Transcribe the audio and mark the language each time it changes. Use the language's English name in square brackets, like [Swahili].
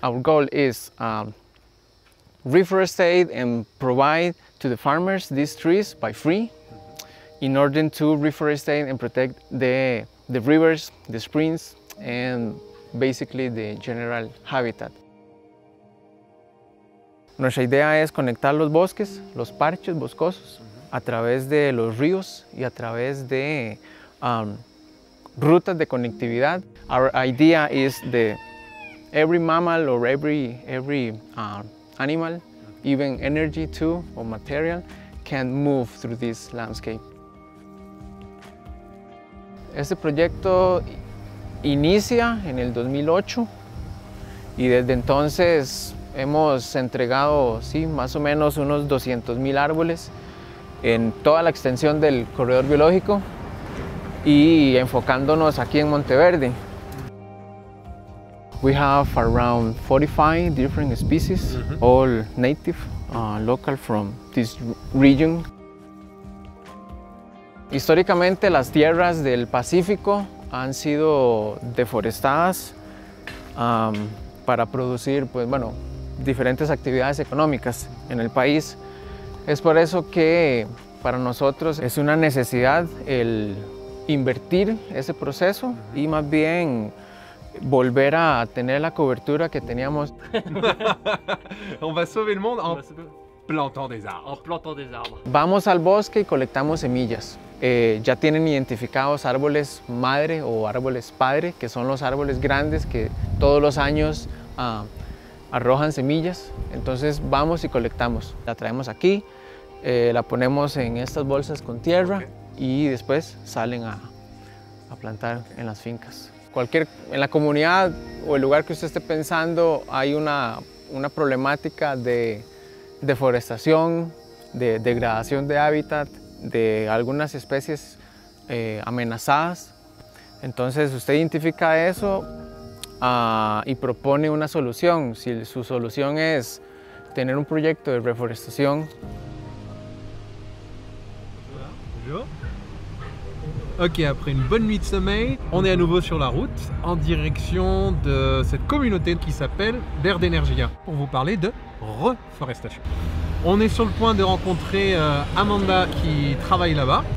[English] Our goal is reforestate and provide to the farmers these trees by free in order to reforestate and protect the rivers, the springs, and basically the general habitat. [Spanish] Nuestra idea es conectar los bosques, los parches boscosos, a través de los ríos y a través de rutas de conectividad. [English] Our idea is that every mammal or every animal, even energy too, or material, can move through this landscape. [Spanish] Este proyecto inicia en el 2008 y desde entonces hemos entregado, sí, más o menos unos 200.000 árboles en toda la extensión del corredor biológico y enfocándonos aquí en Monteverde. [English] We have around 45 different species, all native, local from this region. [Spanish] Históricamente, las tierras del Pacífico han sido deforestadas para producir, pues, bueno, diferentes actividades económicas en el país. Es por eso que para nosotros es una necesidad el invertir ese proceso y más bien volver a tener la cobertura que teníamos. [French] On va sauver le monde en plantant des arbres. En plantant des arbres. [Spanish] Vamos al bosque y colectamos semillas. Ya tienen identificados árboles madre o árboles padre, que son los árboles grandes que todos los años arrojan semillas. Entonces vamos y colectamos. La traemos aquí, la ponemos en estas bolsas con tierra y después salen a plantar en las fincas. Cualquier, en la comunidad o el lugar que usted esté pensando, hay una problemática de deforestación, de degradación de hábitat, de algunas especies amenazadas. Entonces usted identifica eso y propone una solución. Si su solución es tener un proyecto de reforestación. [French] Ok, après une bonne nuit de sommeil, on est à nouveau sur la route en direction de cette communauté qui s'appelle Verde Energia pour vous parler de reforestation. On est sur le point de rencontrer Amanda qui travaille là-bas.